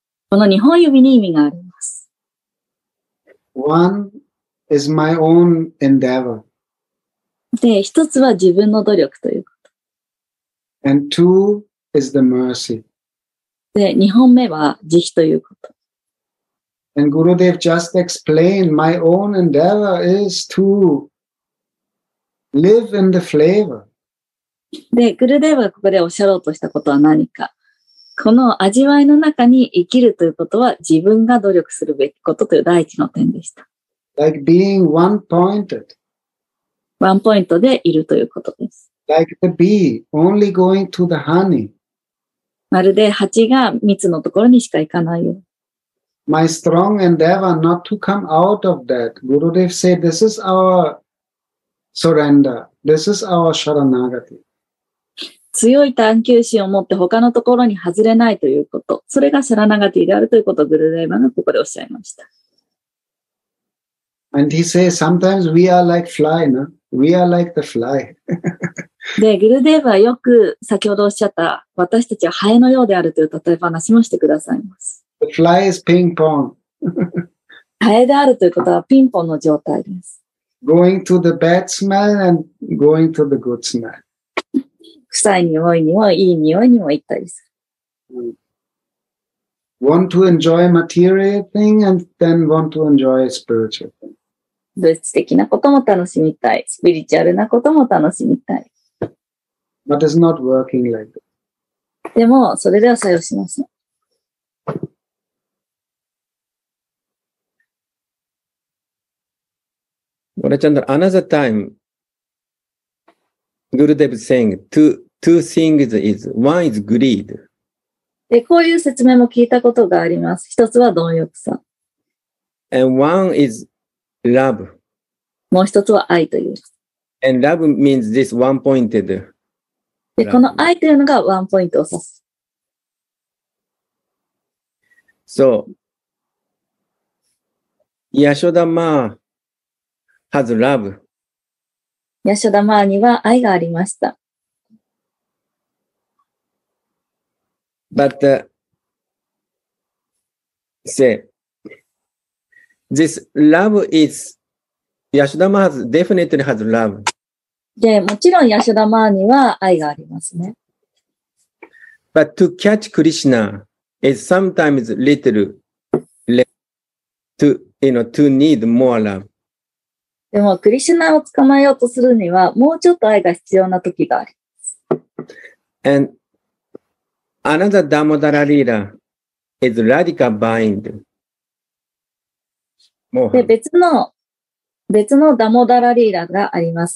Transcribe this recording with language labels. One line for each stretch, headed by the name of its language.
Japanese: この2本指に意味があります。
English: One is my own endeavor.
Japanese: で、一つは自分の努力ということ。
English: And two is the mercy.
Japanese: で、2本目は慈悲ということ。
English: And Gurudev just explained my own endeavor is toLive in the flavor.
Japanese: で、グルデーヴはここでおっしゃろうとしたことは何か。この味わいの中に生きるということは自分が努力するべきことという第一の点でした。
English: Like being one-pointed.
Japanese: ワンポイントでいるということです。
English: Like the bee, only going to the honey.
Japanese: まるで蜂が蜜のところにしか行かないよ。
English: My strong endeavor not to come out of that. Gurudev said, this is ourSurrender. This is our Sharanagati.
Japanese: 強い探求心を持って他のところに外れないということ。それがシャラナガティであるということをグルデーヴァがここでおっしゃいました。
English: And he says, sometimes we are like fly, no? We are like the fly.
Japanese: で、グルデーヴァはよく先ほどおっしゃった、私たちはハエのようであるという例え話もしてくださいます。
English: The fly is ping pong.
Japanese: ハエであるということはピンポンの状態です。
English: Going to the bad smell and going to the good smell.
Japanese: 臭い匂いにもいい匂いにも行ったりする。
English: Want to enjoy material thing and then want to enjoy spiritual thing.
Japanese: 物質的なことも楽しみたい。スピリチュアルなことも楽しみたい。
English: But it's not working like that.
Japanese: でも、それでは作用しません。
English: Another time, Gurudev is saying two things is, one is greed.
Japanese: で、こういう説明も聞いたことがあります。一つは貪欲さ。
English: And one is love.
Japanese: もう一つは愛という。
English: And love means this one-pointed.
Japanese: で、この愛というのがワンポイントを指す。
English: So, Yashoda Ma,Has love.
Japanese: ヤショダマーには愛がありました。
English: But, say, this love is,
Japanese: ヤショダマーは
English: definitely has love.
Japanese: で、もちろんヤショダマーには愛がありますね。
English: But to catch Krishna is sometimes little less to, you know, to need more love.
Japanese: でも、クリシュナを捕まえようとするには、もうちょっと愛が必要な時があります。
English: And another Damodara Lila is radical bind.
Japanese: で、別のダモダラリーラがあります。